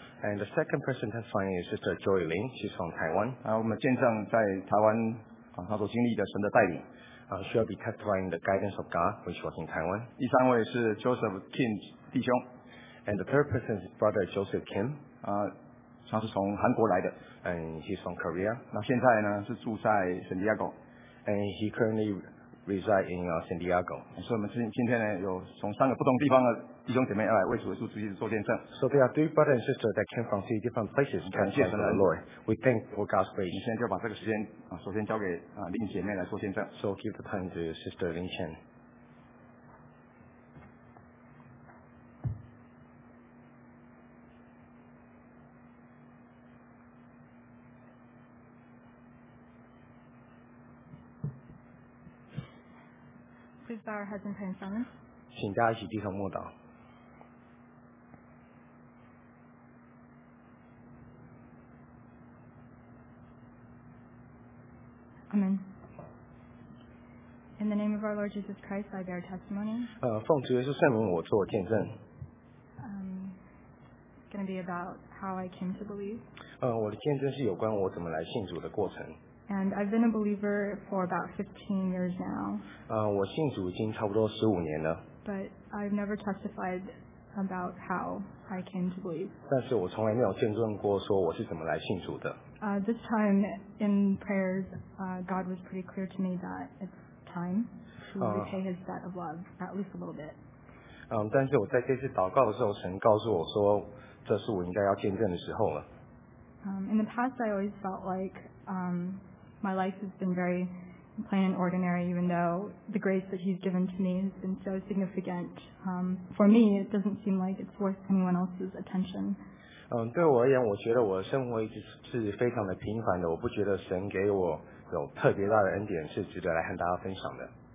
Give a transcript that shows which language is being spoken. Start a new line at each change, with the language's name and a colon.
English: And the second person testifying is Sister Joy Lin. She's from Taiwan.
Chinese: 我们见证在台湾她所经历的神的带领。
English: She'll be testifying the guidance of God when she was in Taiwan.
Chinese: 第三位是 Joseph Kim 弟兄。
English: And the third person is Brother Joseph Kim.
Chinese: 他是从韩国来的。
English: And he's from Korea.
Chinese: 那现在呢是住在 San Diego.
English: And he currently reside in San Diego.
Chinese: 所以我们今天呢有从三个不同地方的弟兄姐妹来为主耶稣基督做见证。
English: So there are three brothers and sisters that came from three different places to testify to the Lord. We thank for God's grace.
Chinese: 现在就把这个时间首先交给林姐妹来做见证。
English: So give the time to Sister Lin Chen. Please bow our heads and pray in silence.
Chinese: 请大家一起低头默祷。
English: Amen. In the name of our Lord Jesus Christ, I bear testimony.
Chinese: 奉主耶稣圣名，我做见证。
English: Going to be about how I came to believe.
Chinese: 我的见证是有关我怎么来信主的过程。
English: And I've been a believer for about 15 years now.
Chinese: 我信主已经差不多15年了。
English: But I've never testified about how I came to believe.
Chinese: 但是我从来没有见证过说我是怎么来信主的。
English: This time in prayers, God was pretty clear to me that it's time to repay his debt of love, at least a little bit.
Chinese: 但是我在这次祷告的时候，神告诉我说，这是我应该要见证的时候了。
English: In the past, I always felt like my life has been very plain and ordinary, even though the grace that he's given to me has been so significant. For me, it doesn't seem like it's worth anyone else's attention.
Chinese: 对我而言，我觉得我的生活一直是非常的平凡的，我不觉得神给我有特别大的恩典是值得来和大家分享的。